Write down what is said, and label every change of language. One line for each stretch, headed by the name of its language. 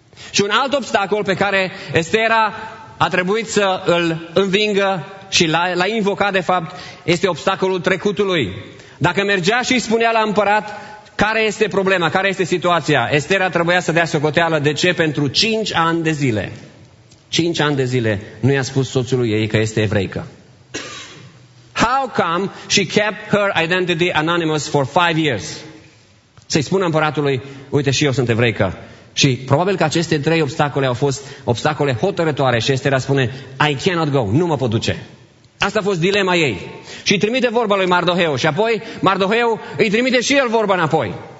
Romanian: Și un alt obstacol pe care Estera a trebuit să îl învingă și l-a invocat, de fapt, este obstacolul trecutului. Dacă mergea și îi spunea la împărat care este problema, care este situația, Estera trebuia să dea socoteală. De ce? Pentru 5 ani de zile. 5 ani de zile nu i-a spus soțului ei că este evreică.
English: How come she kept her identity anonymous for 5 years?
Romanian: Să-i spună împăratului, uite și eu sunt evreică. Și probabil că aceste trei obstacole au fost obstacole hotărătoare și Estera spune,
English: I cannot go,
Romanian: nu mă pot duce. Asta a fost dilema ei. Și îi trimite vorba lui Mardoheu și apoi Mardoheu îi trimite și el vorba înapoi.